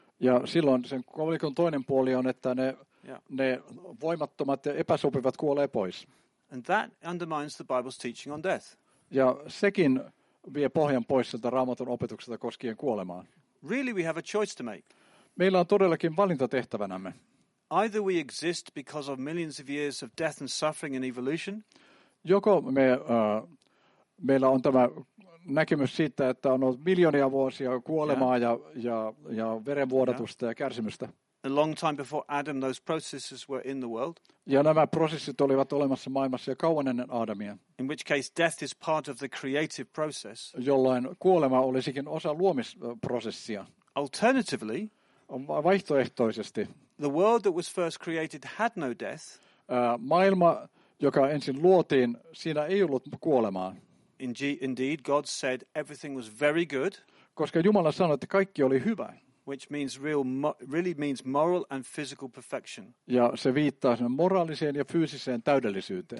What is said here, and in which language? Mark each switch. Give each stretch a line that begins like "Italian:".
Finnish: Ja silloin sen kolikon toinen puoli on, että ne voimattomat ja epäsopivat kuolee pois.
English: And that undermines the Bible's teaching on death.
Finnish: Ja sekin vie pohjan pois sieltä Raamatun opetuksesta koskien kuolemaa.
English: Really we have a choice to make.
Finnish: Meillä on todellakin valinta tehtävänämme.
English: Either we exist because of millions of years of death and suffering and evolution.
Finnish: Joko meillä on tämä näkemys siitä, että on ollut miljoonia vuosia kuolemaa ja verenvuodatusta ja kärsimystä.
English: A long time before Adam those processes were in the world.
Finnish: Ja nämä prosessit olivat olemassa maailmassa jo kauan ennen Aadamia.
English: In which case death is part of the creative process.
Finnish: Jolloin kuolema olisikin osa luomisprosessia.
English: Alternatively,
Finnish: vaihtoehtoisesti,
English: the world that was first created had no death.
Finnish: Maailma, joka ensin luotiin, siinä ei ollut kuolemaa.
English: Indeed, God said everything was very good.
Finnish: Koska Jumala sanoi, että kaikki oli hyvä.
English: Which means really means moral and physical perfection.
Finnish: Ja se viittaa sen moraaliseen ja fyysiseen täydellisyyteen.